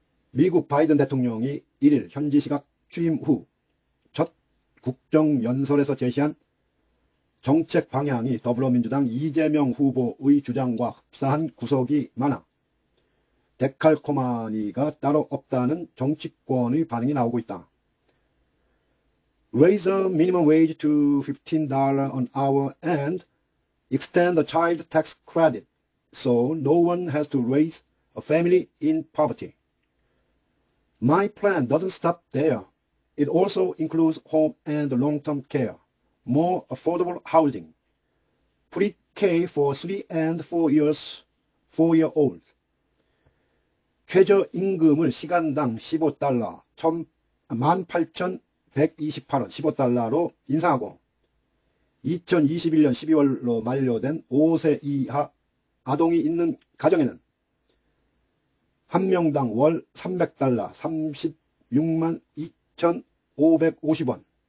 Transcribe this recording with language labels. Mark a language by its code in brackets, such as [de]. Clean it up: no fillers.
[ko] 미국 바이든 대통령이 1일 현지 시각 취임 후첫 국정 연설에서 제시한 정책 방향이 더불어민주당 이재명 후보의 주장과 흡사한 구석이 많아 데칼코마니가 따로 없다는 정치권의 반응이 나오고 있다. [en] Raise a minimum wage to $15 an hour and extend the child tax credit so no one has to raise a family in poverty. My plan doesn't stop there. It also includes home and long-term care, more affordable housing, pre-K for 3 and 4 years, 4-year-olds. [ko] 최저임금을 시간당 15달러, 18,128원, 15달러로 인상하고, 2021년 12월로 만료된 5세 이하 아동이 있는 가정에는 한 명당 월 300달러, 36만 2,550원.